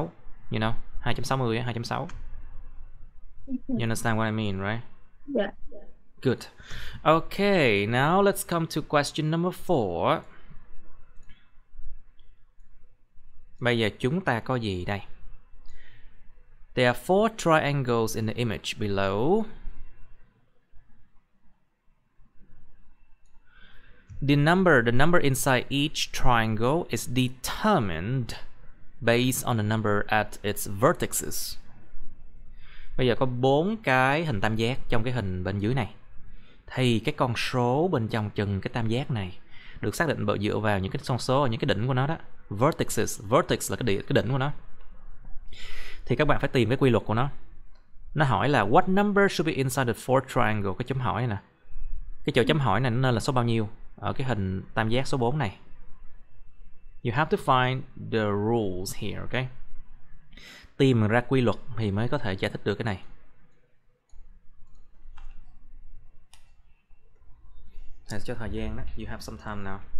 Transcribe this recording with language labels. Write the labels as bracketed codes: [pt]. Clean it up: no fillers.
[en] You know? 2.60, 2.6. You understand what I mean, right? Yeah. Good. Okay, now let's come to question number 4. [vi] Bây giờ chúng ta có gì đây? [en] There are four triangles in the image below. The number inside each triangle is determined based on the number at its vertices. [vi] Bây giờ có 4 cái hình tam giác trong cái hình bên dưới này. Thì cái con số bên trong chừng cái tam giác này được xác định bởi dựa vào những cái con số ở những cái đỉnh của nó đó. Vertices, vertex là cái đỉnh của nó. Thì các bạn phải tìm cái quy luật của nó. Nó hỏi là [en] what number should be inside the fourth triangle? [vi] Cái chấm hỏi này nè. Cái chỗ chấm hỏi này nó nên là số bao nhiêu ở cái hình tam giác số 4 này. [en] You have to find the rules here, okay? [vi] Tìm ra quy luật thì mới có thể giải thích được cái này. Hãy cho thời gian đó. [en] You have some time now.